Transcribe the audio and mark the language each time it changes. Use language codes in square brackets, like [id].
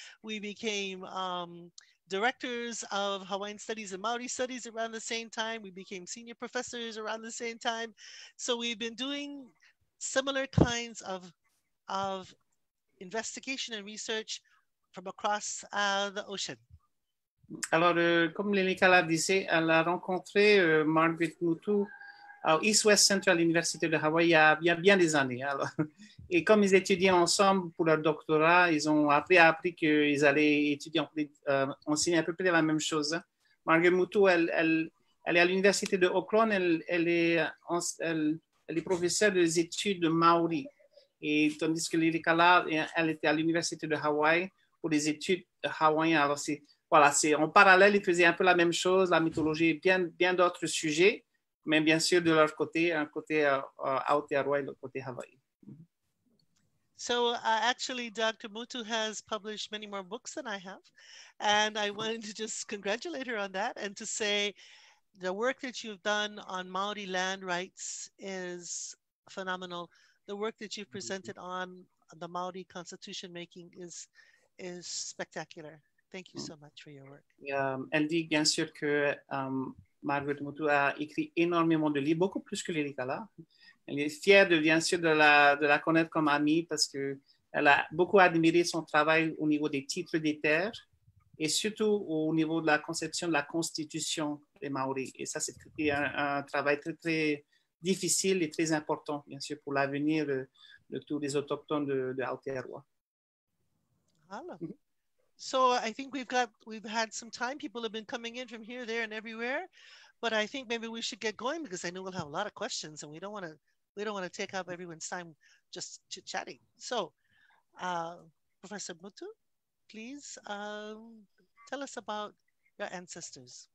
[en] We became directors of Hawaiian studies and Maori studies around the same time. We became senior professors around the same time. So we've been doing similar kinds of investigation and research from across the ocean. [fr] Alors, comme Lilikalā disait, elle a rencontré Margaret Mutu au East West Center à l'Université de Hawaii il y a bien des années. Alors, et comme ils étudiaient ensemble pour leur doctorat, ils ont appris qu'ils allaient étudier, enseigner à peu près la même chose. Margaret Mutu, elle est à l'Université de Auckland, elle est professeure des études de Maori. Et tandis que Lilikalā, elle était à l'Université de Hawaii pour des études de hawaïennes. Alors, c'est en parallèle, ils faisaient un peu la même chose, la mythologie et bien d'autres sujets, mais bien sûr de leur côté, un côté Aotearoa et l'autre côté Hawaii. [en] So actually, Dr. Mutu has published many more books than I have. And I wanted to just congratulate her on that and to say the work that you've done on Maori land rights is phenomenal. The work that you've presented on the Maori constitution making is spectacular. Thank you so much for your work. [fr] Elle dit bien sûr que Margaret Mutu a écrit énormément de livres, beaucoup plus que Lilikalā. Elle est fière de bien sûr de la connaître comme amie parce que elle a beaucoup admiré son travail au niveau des titres des terres et surtout au niveau de la conception de la constitution des Maori. Et ça, c'est un travail très très difficile et très important, bien sûr, pour l'avenir de tous les autochtones de Aotearoa. [en] Voilà. So I think we've had some time. People have been coming in from here, there, and everywhere. But I think maybe we should get going because I know we'll have a lot of questions, and we don't want to take up everyone's time just chit-chatting. So, Professor Mutu, please tell us about your ancestors.